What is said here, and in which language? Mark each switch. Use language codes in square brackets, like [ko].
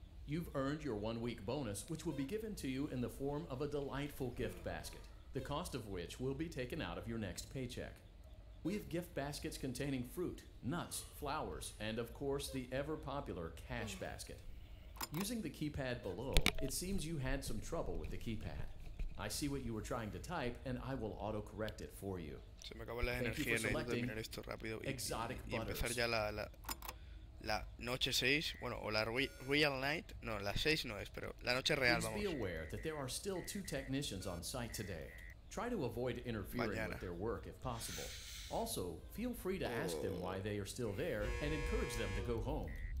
[en] You've earned your one-week bonus, which will be given to you in the form of a delightful gift basket, the cost of which will be taken out of your next paycheck. We have gift baskets containing fruit, nuts, flowers, and of course the ever-popular cash basket. Using the keypad below, it seems you had some trouble with the keypad. I see what you were trying to type, and I will auto-correct it for you. [es] Se me acabó la energía, necesito terminar esto rápido y empezar ya la noche 6, bueno, o la [en] real night, [es] no, la 6 no es, pero la noche real, vamos. [en] Please be aware that there are still two technicians on site today. Try to avoid interfering with their work if possible. Also, feel free to ask them why they are still there and encourage them to go home.